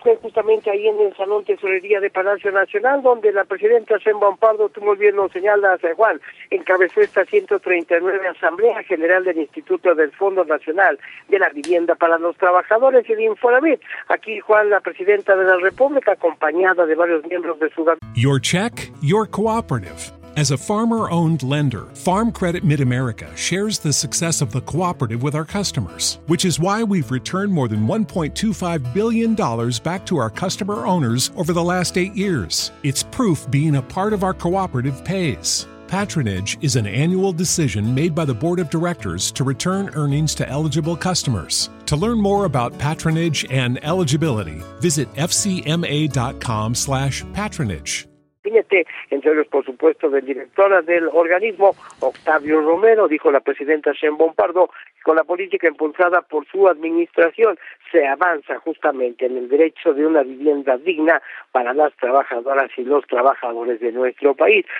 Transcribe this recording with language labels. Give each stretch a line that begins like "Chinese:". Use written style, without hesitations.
Spanish: Fue justamente ahí en el Salón Tesorería de Palacio Nacional, donde la presidenta Sheinbaum Pardo, tú muy bien lo señalas, Juan, encabezó esta 139 Asamblea General del Instituto del Fondo Nacional de la Vivienda para los Trabajadores y el Infonavit. Aquí, Juan, la presidenta de la República, acompañada de varios miembros de su gabinete.
English: Your check, your cooperative. As a farmer-owned lender, Farm Credit Mid-America shares the success of the cooperative with our customers, which is why we've returned more than $1.25 billion back to our customer owners over the last 8 years. It's proof being a part of our cooperative pays. Patronage is an annual decision made by the board of directors to return earnings to eligible customers. To learn more about patronage and eligibility, visit fcma.com/patronage.
Spanish: Entonces, por supuesto, del director del organismo, Octavio Romero, dijo la presidenta Sheinbaum Pardo, que con la política impulsada por su administración se avanza justamente en el derecho de una vivienda digna para las trabajadoras y los trabajadores de nuestro país.